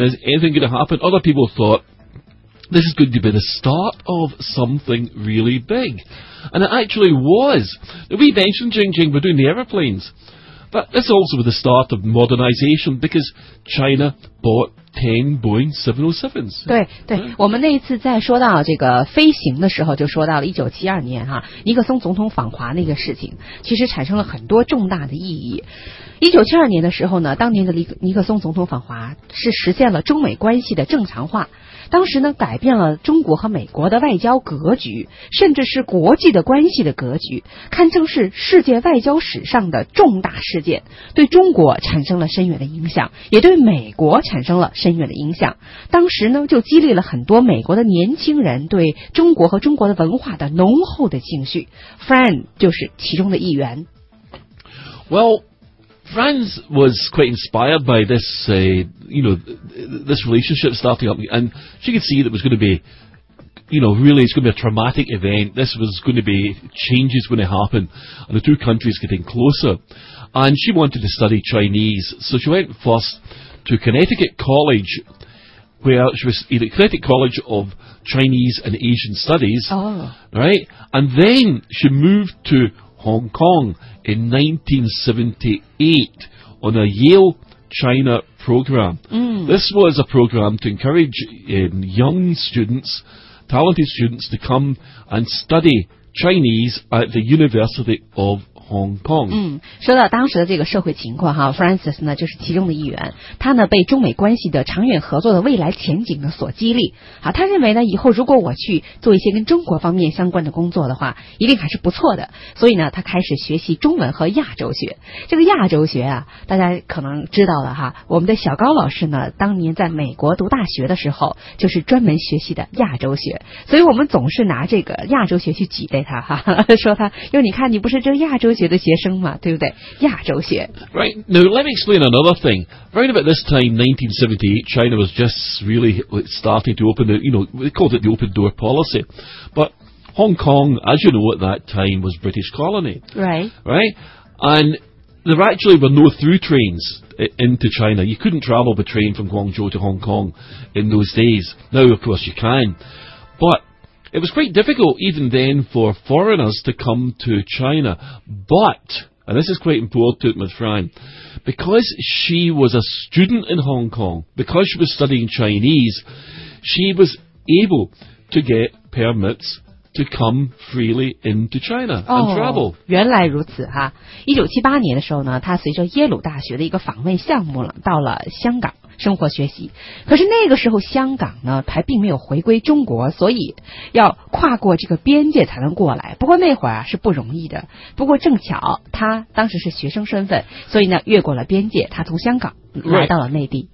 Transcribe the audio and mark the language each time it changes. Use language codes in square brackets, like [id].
[en] Is anything going to happen? Other people thought, this is going to be the start of something really big. And it actually was. We mentioned, Jing Jing, we're doing the aeroplanes. But this also was the start of modernization because China bought 10 Boeing 707s. [zh] 对对，我们那一次在说到这个飞行的时候，就说到了1972年哈，尼克松总统访华那个事情，其实产生了很多重大的意义。 1972年的时候呢，当年的尼克松总统访华是实现了中美关系的正常化。当时呢改变了中国和美国的外交格局，甚至是国际的关系的格局，堪称是世界外交史上的重大事件，对中国产生了深远的影响，也对美国产生了深远的影响。当时呢就激励了很多美国的年轻人对中国和中国的文化的浓厚的兴趣。 Fran 就是其中的一员。 [en] WellFranz was quite inspired by this, you know, this relationship starting up, and she could see that it was going to be, you know, really it's going to be a traumatic event. This was going to be, changes going to happen, and the two countries getting closer. And she wanted to study Chinese, so she went first to Connecticut College, where she was either Connecticut College of Chinese and Asian Studies, right? And then she moved to Hong Kong in 1978 on a Yale China program. Mm. This was a program to encourage young students, talented students, to come and study Chinese at the University of Hong Kong. [zh] 说到当时的这个社会情况哈 ,Francis 呢就是其中的一员，他呢被中美关系的长远合作的未来前景呢所激励。好，他认为呢以后如果我去做一些跟中国方面相关的工作的话，一定还是不错的。所以呢他开始学习中文和亚洲学。这个亚洲学啊，大家可能知道了哈，我们的小高老师呢当年在美国读大学的时候就是专门学习的亚洲学。所以我们总是拿这个亚洲学去挤兑他哈，说他哟，你看你不是这个亚洲学的学生嘛，对不对？亚洲学。 [en] Right, now let me explain another thing. Right about this time, 1978, China was just really starting to open the, you know, they called it the open door policy. But Hong Kong, as you know, at that time was British colony. Right. And there actually were no through trains into China. You couldn't travel by train from Guangzhou to Hong Kong in those days. Now, of course, you can. But it was quite difficult even then for foreigners to come to China. But, and this is quite important with Fran, because she was a student in Hong Kong, because she was studying Chinese, she was able to get permits to come freely into China and travel. [zh] 原来如此哈。 1978年的时候呢，她随着耶鲁大学的一个访问项目了，到了香港生活学习。可是那个时候香港呢还并没有回归中国，所以要跨过这个边界才能过来。不过那会儿啊是不容易的。不过正巧他当时是学生身份，所以呢越过了边界，他从香港来到了内地。